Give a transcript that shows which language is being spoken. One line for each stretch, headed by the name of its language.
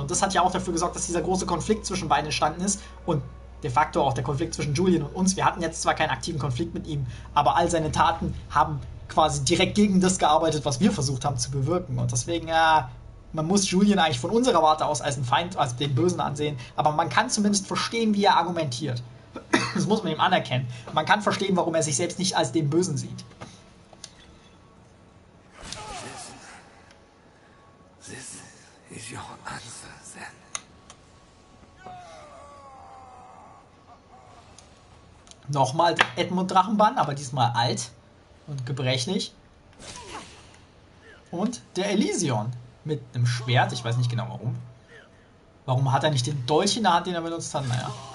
German: Und das hat ja auch dafür gesorgt, dass dieser große Konflikt zwischen beiden entstanden ist. Und de facto auch der Konflikt zwischen Julian und uns. Wir hatten jetzt zwar keinen aktiven Konflikt mit ihm, aber all seine Taten haben quasi direkt gegen das gearbeitet, was wir versucht haben zu bewirken. Und deswegen, man muss Julian eigentlich von unserer Warte aus als einen Feind, als den Bösen ansehen, aber man kann zumindest verstehen, wie er argumentiert. Das muss man ihm anerkennen. Man kann verstehen, warum er sich selbst nicht als den Bösen sieht.
English: This is your answer, then.
German: Nochmal Edmund Drachenbann, aber diesmal alt und gebrechlich. Und der Elysion. Mit einem Schwert, ich weiß nicht genau warum. Warum hat er nicht den Dolch in der Hand, den er benutzt hat? Naja.